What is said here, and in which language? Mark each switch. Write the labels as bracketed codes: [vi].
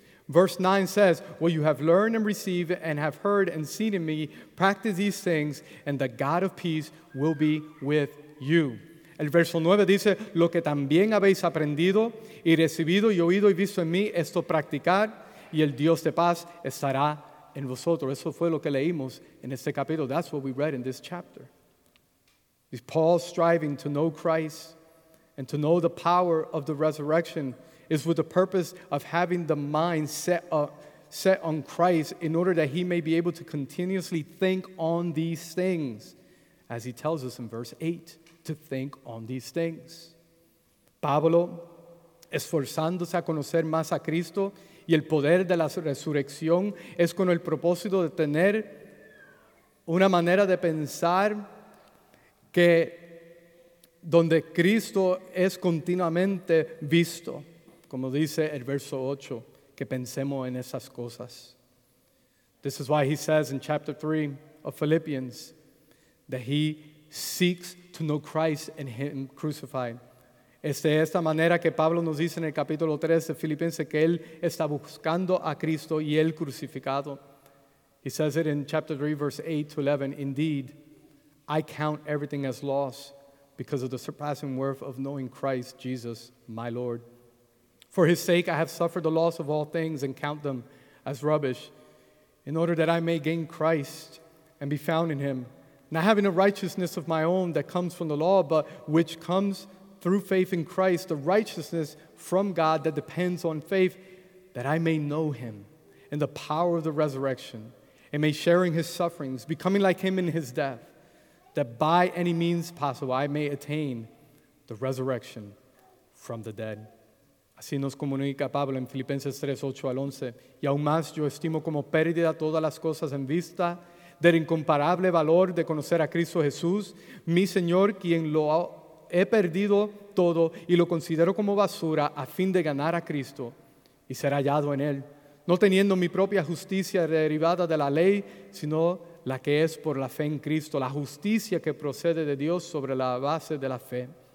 [en] Verse 9 says, what you have learned and received and have heard and seen in me, practice these things, and the God of peace will be with you. [es] El verso 9 dice, lo que también habéis aprendido y recibido y oído y visto en mí, esto practicar, y el Dios de paz estará en vosotros. Eso fue lo que leímos en este capítulo. [en] That's what we read in this chapter. Is Paul striving to know Christ and to know the power of the resurrection is with the purpose of having the mind set on Christ in order that he may be able to continuously think on these things, as he tells us in verse 8, to think on these things. [es] Pablo, esforzándose a conocer más a Cristo y el poder de la resurrección, es con el propósito de tener una manera de pensar que donde Cristo es continuamente visto. Como dice el verso 8, que pensemos en esas cosas. [en] This is why he says in chapter 3 of Philippians that he seeks to know Christ and him crucified. [es] Este es la manera que Pablo nos dice en el capítulo 3 de Filipenses que él está buscando a Cristo y él crucificado. [en] He says it in chapter 3, verse 8 to 11. Indeed, I count everything as loss because of the surpassing worth of knowing Christ Jesus, my Lord. For his sake, I have suffered the loss of all things and count them as rubbish, in order that I may gain Christ and be found in him, not having a righteousness of my own that comes from the law, but which comes through faith in Christ, the righteousness from God that depends on faith, that I may know him and the power of the resurrection, and may share in his sufferings, becoming like him in his death, that by any means possible I may attain the resurrection from the dead. [es] Así nos comunica Pablo en Filipenses 3, 8 al 11. Y aún más yo estimo como pérdida todas las cosas en vista del incomparable valor de conocer a Cristo Jesús, mi Señor, quien lo he perdido todo y lo considero como basura a fin de ganar a Cristo y ser hallado en él, no teniendo mi propia justicia derivada de la ley, sino la que es por la fe en Cristo, la justicia que procede de Dios sobre la base de la fe.